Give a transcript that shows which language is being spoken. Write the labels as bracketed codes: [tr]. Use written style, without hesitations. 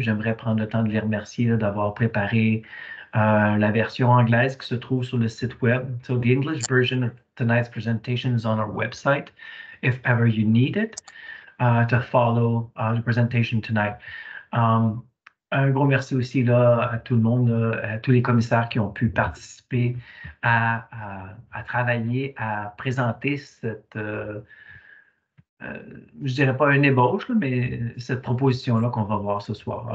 [fr] J'aimerais prendre le temps de les remercier d'avoir préparé la version anglaise qui se trouve sur le site web. [en] So, the English version of tonight's presentation is on our website, if ever you need it, to follow the presentation tonight. [fr] Un gros merci aussi là, à tout le monde, à tous les commissaires qui ont pu participer à travailler, à présenter cette, je dirais pas une ébauche, là, mais cette proposition-là qu'on va voir ce soir.